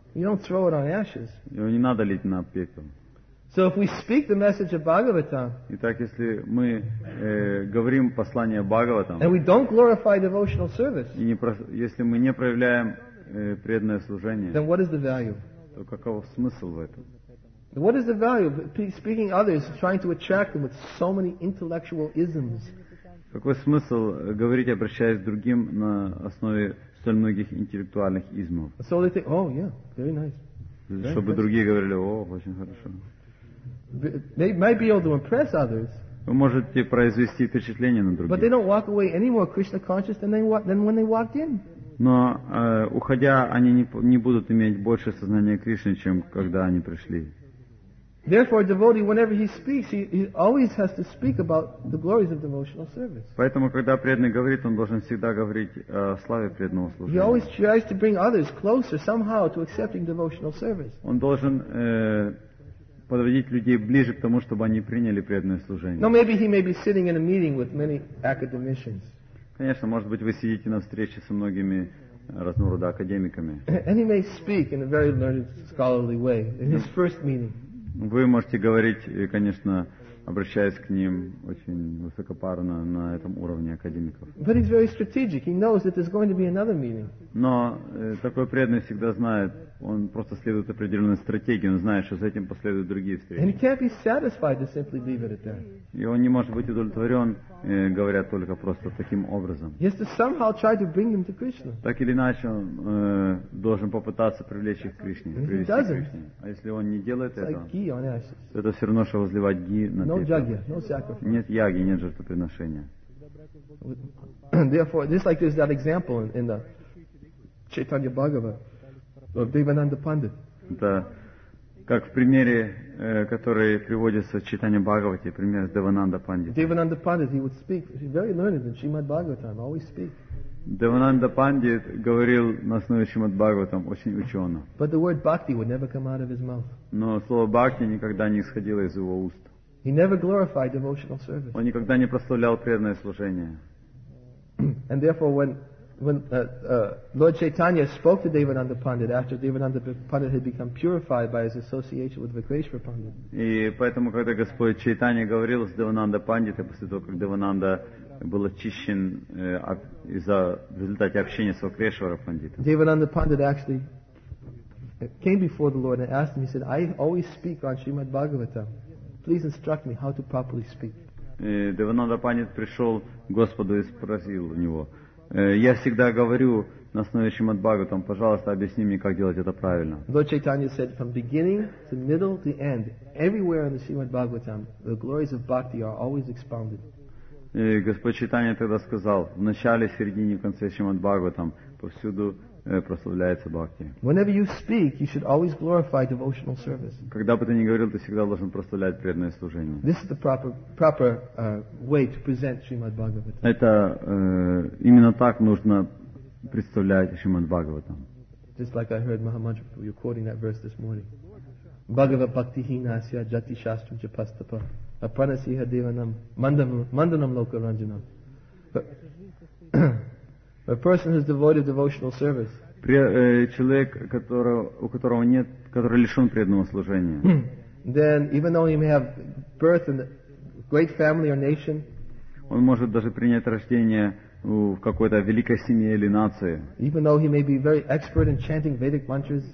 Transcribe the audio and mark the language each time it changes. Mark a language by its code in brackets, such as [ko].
[en] You don't throw it on ashes. [ru] Его не надо лить на пепел. [en] So if we speak the message of Bhagavatam, [ru] итак, если мы говорим послание Бхагаватам, [en] and we don't glorify devotional service, [ru] и если мы не проявляем преданное служение, [en] then what is the value? [ru] То каков смысл в этом? [en] What is the value of speaking others, trying to attract them with so many intellectual isms? [ru] Какой смысл говорить, обращаясь к другим на основе столь многих интеллектуальных измов? [en] So they think, oh yeah, very nice. [ru] Чтобы другие говорили, о, очень хорошо. [en] They might be able to impress others. [ru] Вы можете произвести впечатление на других. [en] But they don't walk away any more Krishna conscious than when they walked in. [ru] Но уходя, они не будут иметь больше сознания Кришны, чем когда они пришли. [en] Therefore, a devotee, whenever he speaks, he always has to speak about the glories of devotional service. [ru] Поэтому, когда преданный говорит, он должен всегда говорить о славе преданного служения. [en] He always tries to bring others closer somehow to accepting devotional service. [ru] Он должен подводить людей ближе к тому, чтобы они приняли преданное служение. [en] No, maybe he may be sitting in a meeting with many academicians. [ru] Конечно, может быть, вы сидите на встрече со многими разного рода академиками. [en] And he may speak in a very learned, scholarly way in his first meeting. [ru] Вы можете говорить, конечно, обращаясь к ним очень высокопарно на этом уровне академиков. [en] But he's very strategic. He knows that there's going to be another meeting. [ru] Но такой преданный всегда знает, он просто следует определенной стратегии, он знает, что за этим последуют другие встречи. [en] And he can't be satisfied to simply leave it at that. [ru] И он не может быть удовлетворен, говоря только просто таким образом. [en] He has to somehow try to bring them to Krishna. [ru] Так или иначе, он должен попытаться привлечь их к Кришне, привести к Кришне. А если он не делает этого, это все равно, что возливать ги на пепел. [en] No jagya, no sacrifice. [ru] Нет яги, нет жертвоприношения. [en] Therefore, just like there's that example in the Chaitanya Bhagavata. Of Devananda Pandit. [ru] Это Как в примере, который приводится в читании Бхагавати, пример с Девананда Пандита. [en] Девананда Пандит, he would speak very learned in Shrimad Bhagavatam, always speak. [ru] Девананда Пандит говорил на основе Шримад Бхагаватам очень учено. [en] But the word bhakti would never come out of his mouth. [ru] Но слово бхакти никогда не исходило из его уст. [en] He never glorified devotional service. [ru] Он никогда не прославлял преданное служение. [en] And therefore, when Lord Chaitanya spoke to Devananda Pandit after Devananda Pandit had become purified by his association with Vikrishpa Pandit. [ru] И поэтому, когда Господь Чайтанья говорил с Девананда Пандитом после того, как Девананда был очищен из-за в результате общения с Вакрешвара Пандитом. [en] Devananda Pandit actually came before the Lord and asked him. He said, "I always speak on Srimad Bhagavatam. Please instruct me how to properly speak." [ru] Девананда Пандит пришел к Господу и спросил у него: "Я всегда говорю на основе Шримад Бхагаватам. Пожалуйста, объясни мне, как делать это правильно." [en] Lord Chaitanya said, "From beginning to middle to end, everywhere in the Srimad Bhagavatam, the glories of bhakti are always expounded." [ru] И Господь Чайтанья тогда сказал: "В начале, середине, в конце Шримад Бхагаватам повсюду прославляется бхакти." [en] Whenever you speak, you should always glorify devotional service. [ru] Когда бы ты ни говорил, ты всегда должен прославлять преданное служение. [en] This is the proper way to present Shrimad Bhagavatam. [ru] Это именно так нужно представлять Шримад Бхагаватам. [en] Just like I heard Mahamantra, you're quoting that verse this morning. [sa] Bhagavat bhakti hinasya jati shastra japastapa apranasiha devanam mandanam lokaranjanam. [en] A person who is devoid of devotional service. [ru] Человек, у которого нет, который лишен преданного служения. [en] Then, even though he may have birth in a great family or nation. [ru] Он может даже принять рождение в какой-то великой семье или нации. [en] Even though he may be very expert in chanting Vedic mantras.